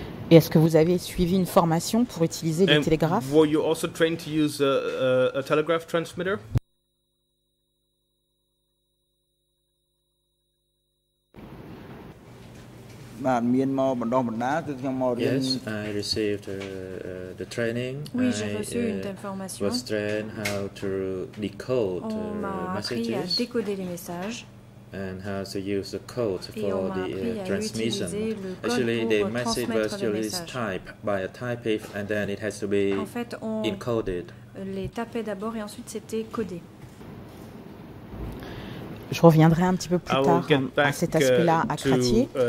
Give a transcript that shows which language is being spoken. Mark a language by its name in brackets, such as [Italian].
[French] Et est-ce que vous avez suivi une formation pour utiliser le télégraphe? [English] Were you also trained to use a telegraph transmitter? Yes, I received the training. [French] Oui, j'ai reçu une telle formation. [English] Was trained how to decode messages. [French] On m'a appris à décoder les messages. [English] And how to use the code for the transmission. Actually, the message was just typed by a typist, and then it has to be encoded. [French] Les tapait d'abord et ensuite c'était codé. Je reviendrai un petit peu plus tard à cet aspect-là à Kratié.